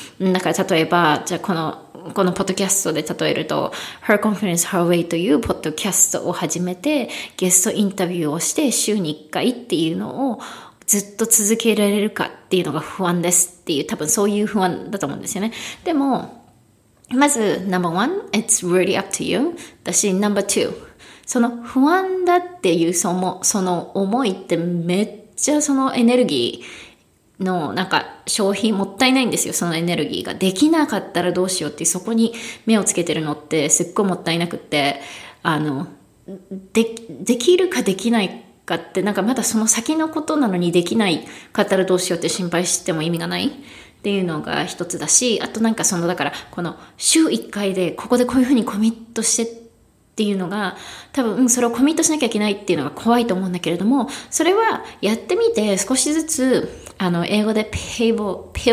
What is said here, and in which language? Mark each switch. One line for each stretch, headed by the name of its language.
Japanese: だから例えば、じゃあこのポッドキャストで例えると、Her Confidence Her Way というポッドキャストを始めて、ゲストインタビューをして、週に1回っていうのをずっと続けられるかっていうのが不安ですっていう、多分そういう不安だと思うんですよね。
English: でも、まず、 number one, it's really up to you.
Japanese: だし、 number two, その不安だっていうその思いってめっちゃそのエネルギーのなんか消費もったいないんですよ。そのエネルギーができなかったらどうしようっていうそこに目をつけてるのってすっごいもったいなくって、できるかできないかってなんかまだその先のことなのにできないかったらどうしようって心配しても意味がないっていうのが一つだし、あとなんかそのだからこの週一回でここでこういうふうにコミットしてっていうのが多分、それをコミットしなきゃいけないっていうのが怖いと思うんだけれども、それはやってみて少しずつ英語でピボ